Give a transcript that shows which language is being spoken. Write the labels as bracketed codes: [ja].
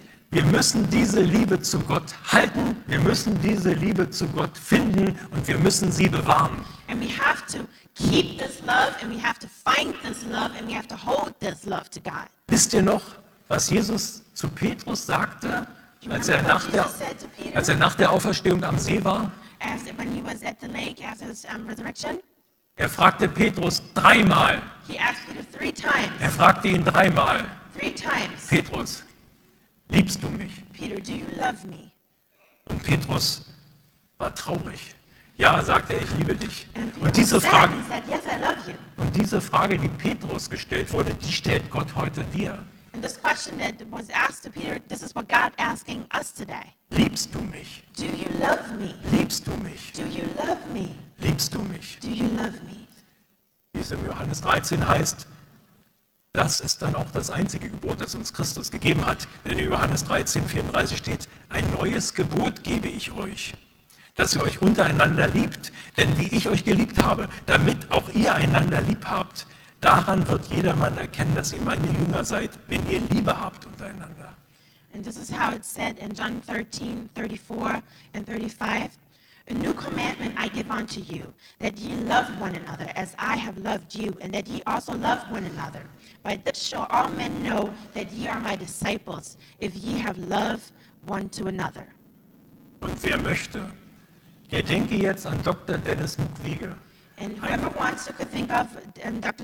[de] Wir müssen diese Liebe zu Gott halten. Wir müssen diese Liebe zu Gott finden und wir müssen sie bewahren. [en] And we have to keep this love and we have to find this love and we have to hold this love to God. [de] Wisst ihr noch, was Jesus zu Petrus sagte, als er nach der Auferstehung am See war? [en] When he was at the lake after his resurrection? [de] Er fragte Petrus dreimal. [en] He asked Peter three times. [de] Er fragte ihn dreimal. [en] Three times. [de] Petrus. liebst du mich? [en] Peter, do you love me? [de] Und Petrus war traurig. Ja, sagte er, ich liebe dich. Und diese Frage, die Petrus gestellt wurde, die stellt Gott heute dir. [en] And this question that was asked to Peter, this is what God asking us today. [de] Liebst du mich? [en] Do you love me? [de] Liebst du mich? [en] Do you love me? [de] Liebst du mich? [en] Do you love me? [de] Wie es im Johannes 13 heißt, das ist dann auch das einzige Gebot, das uns Christus gegeben hat. Denn in Johannes 13, 34 steht, ein neues Gebot gebe ich euch, dass ihr euch untereinander liebt. Denn wie ich euch geliebt habe, damit auch ihr einander lieb habt, daran wird jedermann erkennen, dass ihr meine Jünger seid, wenn ihr Liebe habt untereinander. [en] And this is how it's said in John 13, 34 and 35. A new commandment I give unto you, that ye love one another as I have loved you, and that ye also love one another. By this shall all men know that ye are my disciples, if ye have love one to another. [de] Und wer möchte, der denke jetzt an Dr. Dennis Mukwege. [en] And whoever wants to could think of Dr.